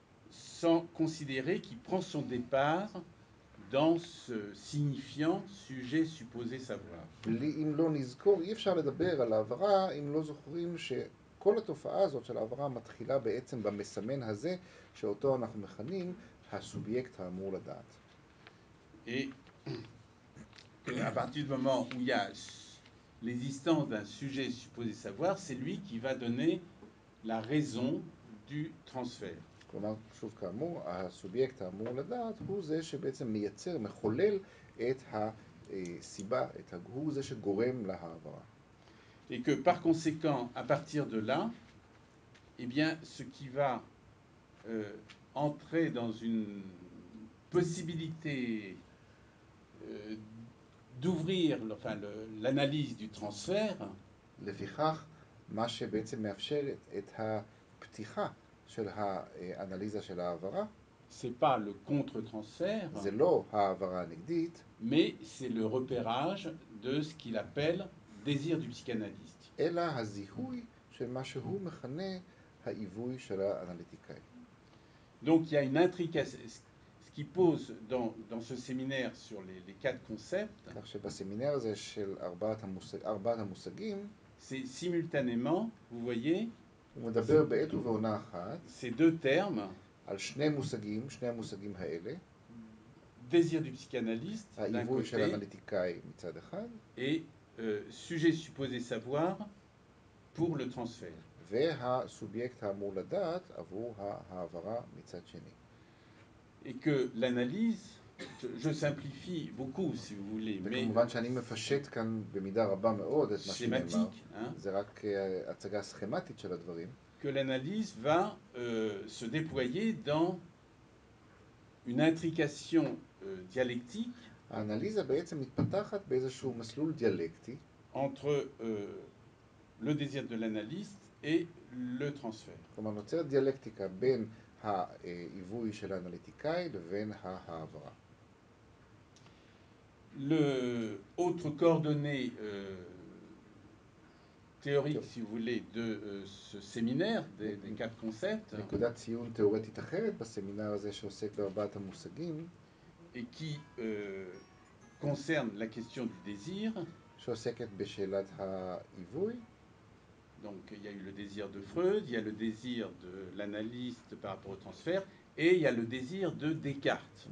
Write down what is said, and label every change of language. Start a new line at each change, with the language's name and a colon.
French: Sans considérer qu'il prend son départ dans ce signifiant sujet supposé savoir.
Hebrew: אם לא נזכור, אי אפשר לדבר על העברה, אם לא זוכרים שכל התופעה הזאת של העברה מתחילה בעצם במסמן הזה, שאותו אנחנו מכנים הסובייקט האמור לדעת.
French: Et à partir du moment où il y a l'existence d'un sujet supposé savoir, c'est lui qui va donner la raison du transfert.
Hebrew: כלומר, שוב כאמור, הסובייקט האמור לדעת הוא זה שבעצם מייצר, מחולל את הסיבה, את הוא זה שגורם להעברה.
French: Et que par conséquent, à partir de là, eh bien, ce qui va entrer dans une possibilité d'ouvrir enfin, l'analyse du transfert,
Hebrew: לפיכך, מה שבעצם מאפשר את הפתיחה של האנליזה של העברה,
French: c'est pas le contre-transfert,
Hebrew: זה לא העברה הנגדית,
French: mais c'est le repérage de ce qu'il appelle désir du psychanalyste.
Hebrew: אלא הזיהוי של מה שהוא מכנה העיווי של האנליטיקאי.
French: Donc il y a une intrication, ce qui pose dans ce séminaire sur les quatre concepts,
Hebrew: כך שבסמינר הזה של ארבעת המושגים,
French: c'est simultanément, vous voyez, on
Hebrew: מדבר בעת ובעונה אחת,
French: ces deux termes,
Hebrew: על שני המושגים האלה,
French: désir du psychanalyste,
Hebrew: העיווי של האנליטיקאי מצד אחד,
French: et sujet supposé savoir pour le transfert.
Hebrew: והסובייקט האמור לדעת עבור ההעברה מצד שני.
French: Et que l'analyse, je simplifie beaucoup, si vous voulez, mais...
Hebrew: וכמובן שאני מפשט כאן במידה רבה מאוד את מה שנאמר. סכמטיק, זה רק הצגה סכמטית של הדברים.
French: Que l'analyse va se déployer dans une intrication dialectique.
Hebrew: האנליזה בעצם מתפתחת באיזשהו מסלול דיאלקטי.
French: Entre le désir de l'analyste, et le transfert.
Hebrew: כלומר, נוצרת דיאלקטיקה בין העיווי של האנליטיקאי לבין ההעברה.
French: Le autre coordonnée théorique, si vous voulez, de ce séminaire des quatre concepts.
Hebrew: נקודת ציון תיאורטית אחרת בסמינר הזה שעוסק בארבעת המושגים.
French: Et qui concerne la question du désir.
Hebrew: שעוסקת בשאלת העיווי.
French: Donc il y a eu le désir de Freud, il y a le désir de l'analyste par rapport au transfert, et il y a le désir de Descartes.